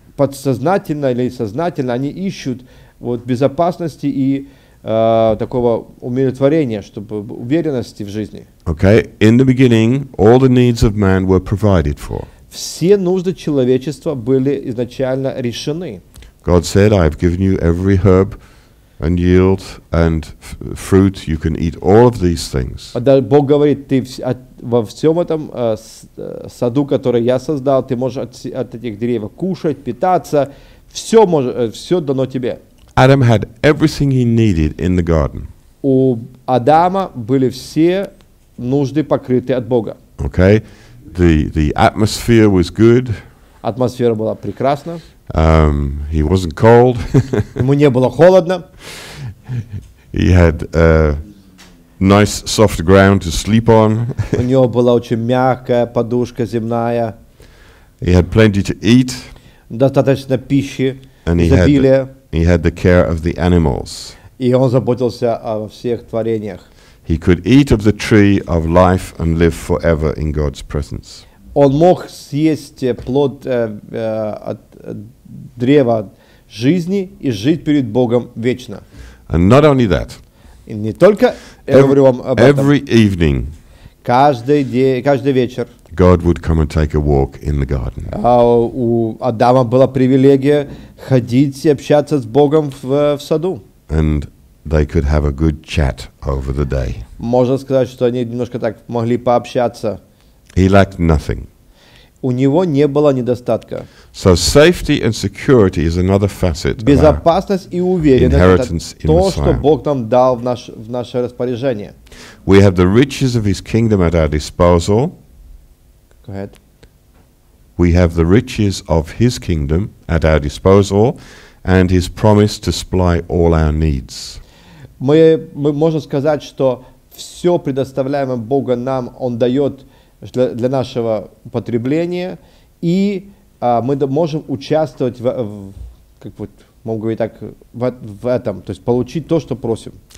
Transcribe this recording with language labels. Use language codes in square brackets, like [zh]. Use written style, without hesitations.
[ru] Подсознательно или сознательно они ищут вот безопасности и такого умиротворения, чтобы уверенности в жизни. [en] Okay. In the beginning, all the needs of man were provided for. [ru] Все нужды человечества были изначально решены. [en] God said, "I have given you every herb and yield and fruit. You can eat all of these things." [ru] Бог говорит, ты во всем этом саду, который я создал, ты можешь от этих деревьев кушать, питаться. Все дано тебе. [en] Adam had everything he needed in the garden. [ru] У Адама были все нужды покрыты от Бога. [en] Okay, the atmosphere was good. [ru] Атмосфера была прекрасна. [en] He wasn't cold. [ru] Ему не было холодно. [en] He had nice soft ground to sleep on. [ru] У него была очень мягкая подушка земная. [en] He had plenty to eat. [ru] Достаточно пищи. [en] And he had the care of the animals. [ru] И он заботился о всех творениях. [en] He could eat of the tree of life and live forever in God's presence. [ru] Он мог съесть плод от древа жизни и жить перед Богом вечно. [en] And not only that. [ru] И не только, я говорю вам об этом. [en] Every evening. [ru] Каждый вечер. [en] God would come and take a walk in the garden. [ru] У Адама была привилегия ходить и общаться с Богом в саду. [en] and they could have a good chat over the day. [ru] Можно сказать, что они немножко так могли пообщаться. [en] He lacked nothing. [ru] У него не было недостатка. [en] So safety and security is another facet. [ru] Безопасность и уверенность — это то, что Бог нам дал в наше распоряжение. [en] We have the riches of His kingdom at our disposal. Go ahead. We have the riches of His kingdom at our disposal, and His promise to supply all our needs. [ru] Мы можем сказать, что все предоставляемое Бога нам Он дает для нашего потребления, и мы можем участвовать как вот, могу говорить так, в этом, то есть получить то, что просим.